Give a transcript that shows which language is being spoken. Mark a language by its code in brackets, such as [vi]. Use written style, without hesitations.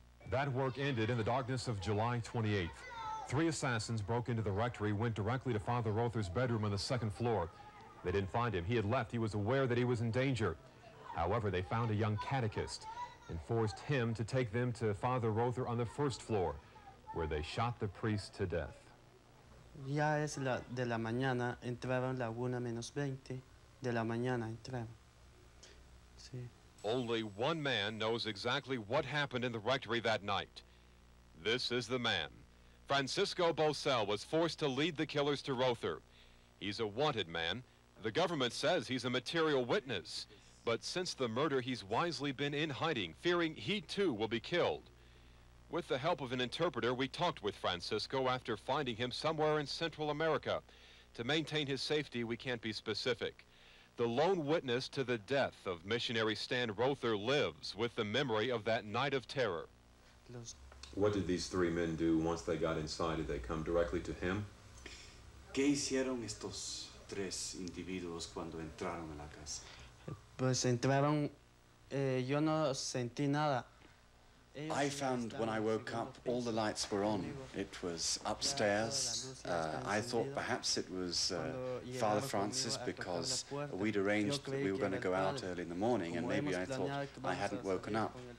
[en] That work ended in the darkness of July 28th. Three assassins broke into the rectory, went directly to Father Rother's bedroom on the second floor. They didn't find him. He had left. He was aware that he was in danger. However, they found a young catechist and forced him to take them to Father Rother on the first floor, where they shot the priest to death. [es] Ya es la de la mañana, entraron la una menos 20 de la mañana, entraron. Sí. [en] Only one man knows exactly what happened in the rectory that night. This is the man. Francisco Bosell was forced to lead the killers to Rother. He's a wanted man. The government says he's a material witness. But since the murder, he's wisely been in hiding, fearing he too will be killed. With the help of an interpreter, we talked with Francisco after finding him somewhere in Central America. To maintain his safety, we can't be specific. The lone witness to the death of missionary Stan Rother lives with the memory of that night of terror. What did these three men do once they got inside? Did they come directly to him? [es] ¿Qué hicieron estos tres individuos cuando entraron a la casa? Pues entraron, yo no sentí nada. [en] I found when I woke up, all the lights were on. It was upstairs. I thought perhaps it was Father Francis because we'd arranged that we were going to go out early in the morning, and maybe I thought I hadn't woken up.